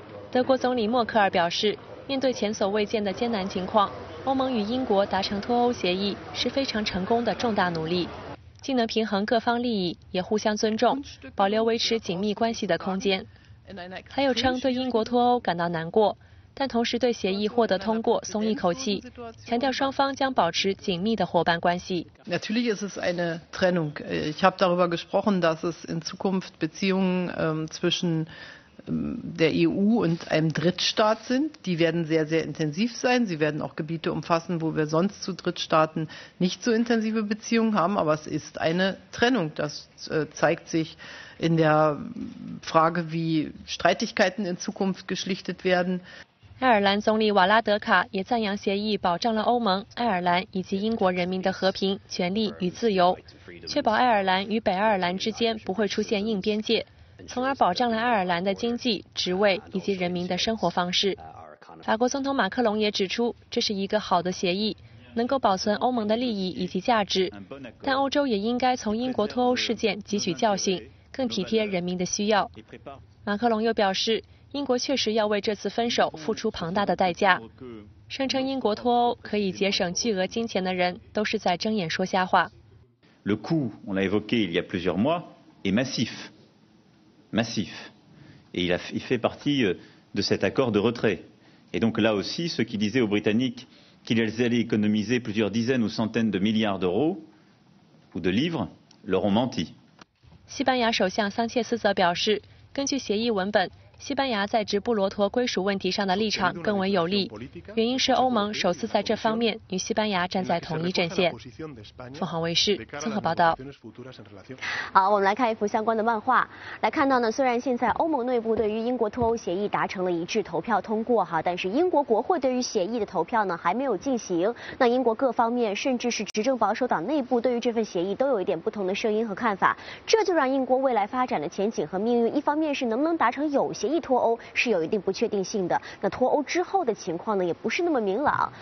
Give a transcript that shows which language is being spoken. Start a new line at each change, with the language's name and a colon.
Chinese: 德国总理默克尔表示，面对前所未见的艰难情况，欧盟与英国达成脱欧协议是非常成功的重大努力，既能平衡各方利益，也互相尊重，保留维持紧密关系的空间。他又称对英国脱欧感到难过，但同时对协议获得通过松一口气，强调双方将保持紧密的伙伴关系。
German: Natürlich ist es eine Trennung. Ich habe darüber gesprochen, dass es in Zukunft Beziehungen zwischen der EU und einem Drittstaat sind. Die werden sehr, sehr intensiv sein. Sie werden auch Gebiete umfassen, wo wir sonst zu Drittstaaten nicht so intensive Beziehungen haben. Aber es ist eine Trennung. Das zeigt sich in der Frage, wie Streitigkeiten in Zukunft geschlichtet werden.
Chinese: 爱尔兰总理瓦拉德卡也赞扬协议保障了欧盟、爱尔兰以及英国人民的和平、权利与自由，确保爱尔兰与北爱尔兰之间不会出现硬边界。从而保障了爱尔兰的经济、职位以及人民的生活方式。法国总统马克龙也指出，这是一个好的协议，能够保存欧盟的利益以及价值，但欧洲也应该从英国脱欧事件汲取教训，更体贴人民的需要。马克龙又表示，英国确实要为这次分手付出庞大的代价，声称英国脱欧可以节省巨额金钱的人都是在睁眼说瞎话。
French: Le coût, on l'a évoqué il y a plusieurs mois, est massif. Massif. Et il fait partie de cet accord de retrait. Et donc là aussi, ceux qui disaient aux Britanniques qu'ils allaient économiser plusieurs dizaines ou centaines de milliards d'euros ou de livres leur ont menti.
Chinese: 西班牙首相桑切斯则表示，根据协议文本，西班牙在直布罗陀归属问题上的立场更为有利，原因是欧盟首次在这方面与西班牙站在同一阵线。凤凰卫视综合报道。好，我们来看一幅相关的漫画，来看到呢，虽然现在欧盟内部对于英国脱欧协议达成了一致投票通过哈，但是英国国会对于协议的投票呢还没有进行，那英国各方面甚至是执政保守党内部对于这份协议都有一点不同的声音和看法，这就让英国未来发展的前景和命运，一方面是能不能达成有协议脱欧是有一定不确定性的，那脱欧之后的情况呢也不是那么明朗。